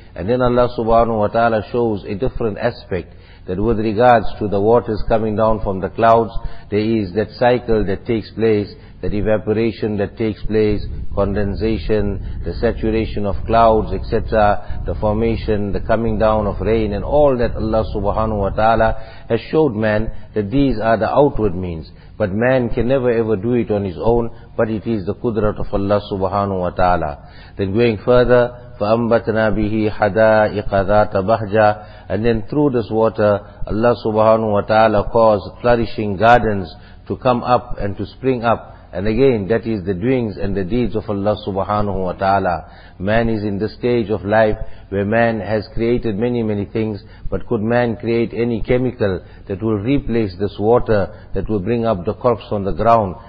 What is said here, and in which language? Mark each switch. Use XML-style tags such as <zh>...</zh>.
<en>And then Allah subhanahu wa ta'ala shows a different aspect, that with regards to the waters coming down from the clouds, there is that cycle that takes place, that evaporation that takes place, condensation, the saturation of clouds, etc., the formation, the coming down of rain, and all that Allah subhanahu wa ta'ala has showed man, that these are the outward means. But man can never ever do it on his own, but it is the qudrat of Allah subhanahu wa ta'ala. Then going further,</en> <ar>فَأَنْبَتْنَا بِهِ حَدَائِقَ ذَاتَ بَحْجَى.</ar> <en>And then through this water, Allah subhanahu wa ta'ala caused flourishing gardens to come up and to spring up. And again, that is the doings and the deeds of Allah subhanahu wa ta'ala. Man is in the stage of life where man has created many, many things, but could man create any chemical that will replace this water, that will bring up the crops on the ground?</en>